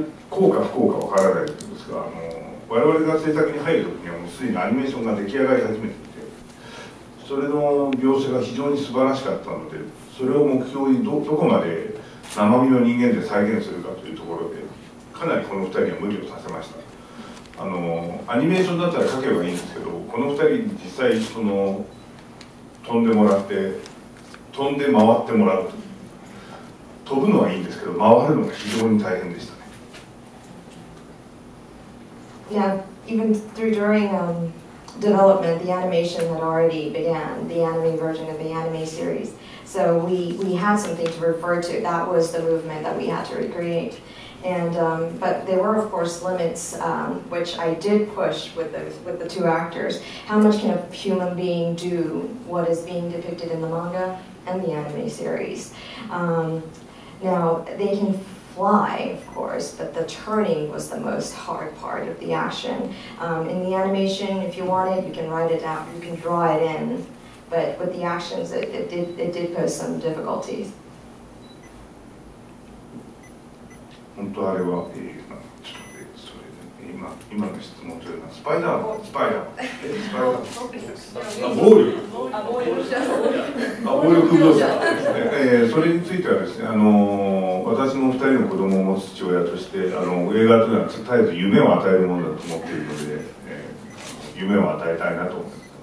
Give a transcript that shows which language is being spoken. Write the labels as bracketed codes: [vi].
[ja] 効果不効果分からないんですが、我々が制作に入るときにはもうすでにアニメーションが出来上がり始めていて、それの描写が非常に素晴らしかったので、それを目標に どこまで生身の人間で再現するかというところで、かなりこの2人は無理をさせました。アニメーションだったら描けばいいんですけど、この2人に実際その飛んでもらって、飛んで回ってもらうと。飛ぶのはいいんですけど、回るのが非常に大変でした。 [en] Yeah, even through during development, the animation had already began, the anime version of the anime series. So we had something to refer to. That was the movement that we had to recreate. And but there were of course limits which I did push with the two actors. How much can a human being do what is being depicted in the manga and the anime series? Now they can fly, of course, but the turning was the most hard part of the action. In the animation, if you want it, you can write it out, you can draw it in, but with the actions, it did pose some difficulties. [ja] 本当あれは、ちょっと待って、それ、今の質問というのは、スパイダー、暴力。暴力描写ですね。それについてはですね、私も2人の子供を持つ父親として映画というのは絶えず夢を与えるものだと思っているので、夢を与えたいなと思います。